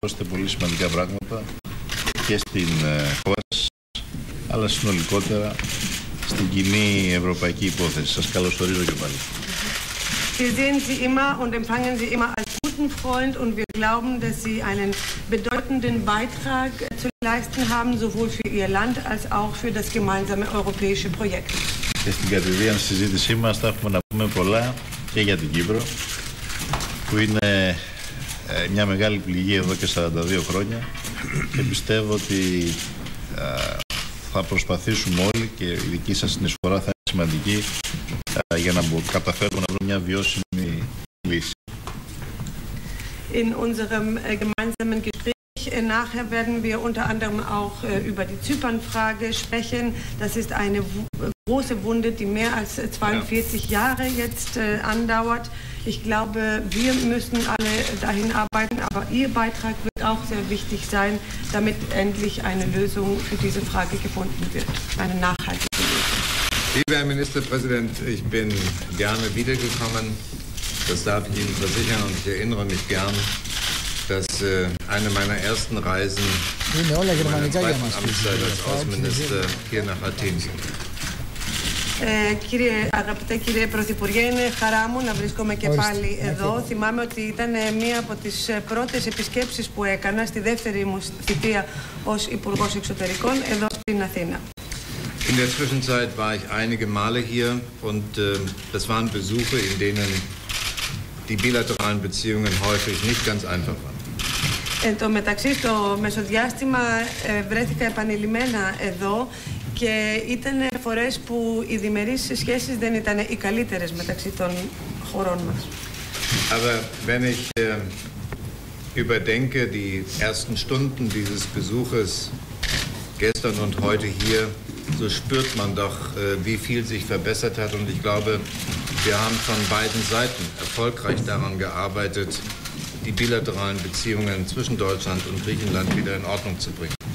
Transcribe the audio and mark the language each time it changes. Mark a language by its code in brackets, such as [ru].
[el] δώσετε πολύ σημαντικά πράγματα και στην χώρα σας, αλλά συνολικότερα στην κοινή ευρωπαϊκή υπόθεση. Σας καλωσορίζω και πάλι. [de] Wir sehen Sie immer und empfangen Sie immer als guten Freund und wir glauben, dass Sie einen bedeutenden Beitrag zu leisten haben, sowohl für Ihr Land als auch für das gemeinsame europäische Projekt. [el] Και στην καθημερινή συζήτησή μας θα έχουμε να πούμε πολλά και για την Κύπρο, που είναι μια μεγάλη πληγή εδώ και 42 χρόνια και πιστεύω ότι θα προσπαθήσουμε όλοι και η δική σας συνεισφορά θα είναι σημαντική για να καταφέρουμε να βρούμε μια βιώσιμη λύση. [de] In unserem gemeinsamen Gespräch nachher werden wir unter anderem auch über die Zypern-Frage sprechen. Das ist eine große Wunde, die mehr als 42 Jahre jetzt andauert. Ich glaube, wir müssen alle dahin arbeiten, aber Ihr Beitrag wird auch sehr wichtig sein, damit endlich eine Lösung für diese Frage gefunden wird, eine nachhaltige Lösung. Lieber Herr Ministerpräsident, ich bin gerne wiedergekommen. Das darf ich Ihnen versichern und ich erinnere mich gern, dass eine meiner ersten Reisen als Außenminister hier nach Athen ging. [el] Κύριε, αγαπητέ κύριε Πρωθυπουργέ, είναι χαρά μου να βρίσκομαι και πάλι εδώ. Θυμάμαι ότι ήταν μία από τις πρώτες επισκέψεις που έκανα στη δεύτερη μου θητεία ως Υπουργός Εξωτερικών εδώ στην Αθήνα. [de] In der Zwischenzeit war ich einige Male hier und das waren Besuche, in denen die bilateralen Beziehungen häufig nicht ganz einfach waren. [el] Εν τω μεταξύ, στο μεσοδιάστημα βρέθηκα επανειλημμένα εδώ και ήταν φορές που οι διμερείς σχέσεις δεν ήταν οι καλύτερες μεταξύ των χωρών μας. [de] Aber wenn ich überdenke die ersten Stunden dieses Besuches gestern und heute hier, so spürt man doch, wie viel sich verbessert hat und ich glaube, wir haben von beiden Seiten erfolgreich daran gearbeitet, die bilateralen Beziehungen zwischen Deutschland und Griechenland wieder in Ordnung zu bringen.